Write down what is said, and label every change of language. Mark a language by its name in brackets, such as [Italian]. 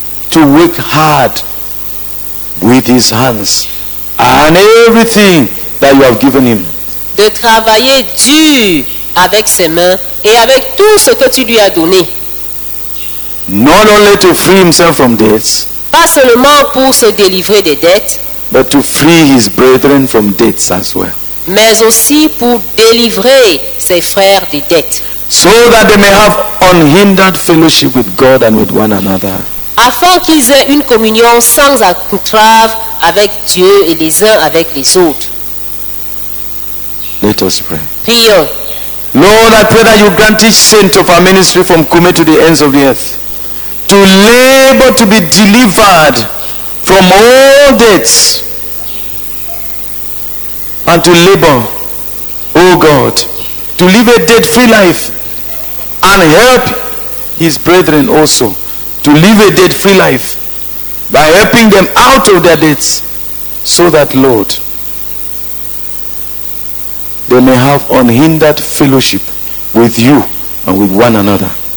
[English] to work hard with his hands and everything that you have given him. [French] De travailler dur avec ses mains et avec tout ce que tu lui as donné. [English] Not only to free himself from debts, [French] pas seulement pour se délivrer des dettes, [English] but to free his brethren from debts as well. [French] Mais aussi pour délivrer ses frères des dettes. [English] So that they may have unhindered fellowship with God and with one another. [French] Afin qu'ils aient une communion sans entrave avec Dieu et les uns avec les autres. [English] Let us pray. [French] Prions. [English] Lord, I pray that you grant each saint of our ministry from Kume to the ends of the earth to labor to be delivered from all debts and to labor, oh God, to live a debt-free life and help his brethren also to live a debt-free life by helping them out of their debts so that, Lord, they may have unhindered fellowship with you and with one another.